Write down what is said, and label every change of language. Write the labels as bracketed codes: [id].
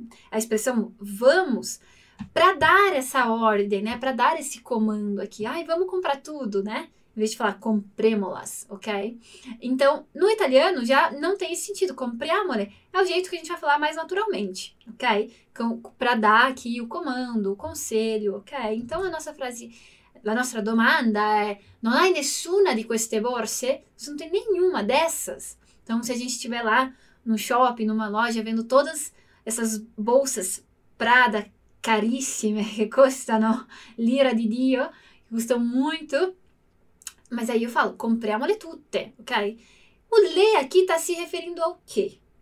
[pt] A expressão vamos, para dar essa ordem, né? Para dar esse comando aqui. Ai, vamos comprar tudo, né? Em vez de falar compremolas, ok? Então, no italiano já não tem esse sentido. Compriamole é o jeito que a gente vai falar mais naturalmente, ok? Para dar aqui o comando, o conselho, ok? Então, a nossa frase, a nossa domanda é: [it] Non hai nessuna di queste borse? [pt] Você não tem nenhuma dessas. Então, se a gente estiver lá no shopping, numa loja, vendo todas essas bolsas Prada [it] carissime, [pt] que custam [it] l'ira di Dio, [pt] que custam muito. Mas aí eu falo, [it] compriamole tutte, [pt] ok? O le aqui está se referindo ao quê?